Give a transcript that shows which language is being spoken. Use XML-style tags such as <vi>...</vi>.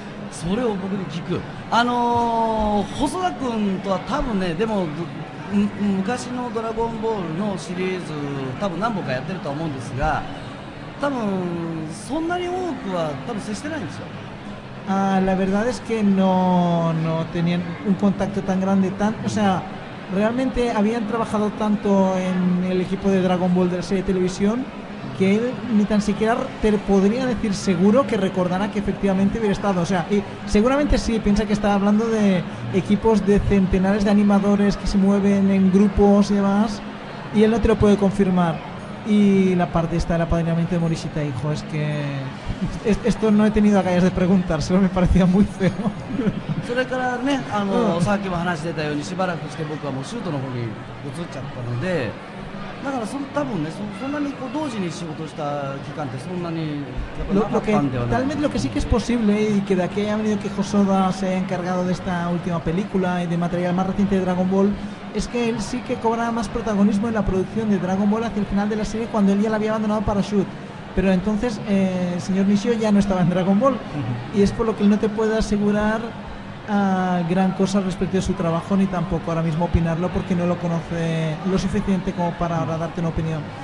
<ja>それを僕に聞く。細田君とは多分ね、でも昔のドラゴンボールのシリーズ多分何本かやってると思うんですが、多分そんなに多くは多分接してないんですよ。</ja> <es>La verdad es que no tenían un contacto tan grande, o sea,realmente habían trabajado tanto en el equipo de Dragon Ball de la serie de televisión que él ni tan siquiera te podría decir seguro que recordara que efectivamente hubiera estado. O sea, y seguramente sí, piensa que está hablando de equipos de centenares de animadores que se mueven en grupos y demás, y él no te lo puede confirmar. Y la parte esta del apadrinamiento de Morishita, hijo, es que esto no he tenido agallas de preguntar, solo me parecía muy feo.</es> <ja>それからね、さっきも話してたようにしばらくして僕はもうシュートの方に移っちゃったので、だからその多分ね、そんなにこう同時に仕事した期間ってそんなにやっぱなかったんではない。</ja> <es>Tal vez lo que sí que es posible y que de aquí haya venido que Hosoda se haya encargado de esta última película y de material más reciente de Dragon Ball es que él sí que cobraba más protagonismo en la producción de Dragon Ball hacia el final de la serie, cuando él ya la había abandonado para Shoot. Pero entonces el señor Nishio ya no estaba en Dragon Ball. Uh-huh. Y es por lo que él no te puede asegurar gran cosa respecto a su trabajo, ni tampoco ahora mismo opinarlo, porque no lo conoce lo suficiente como para ahora darte una opinión.</es>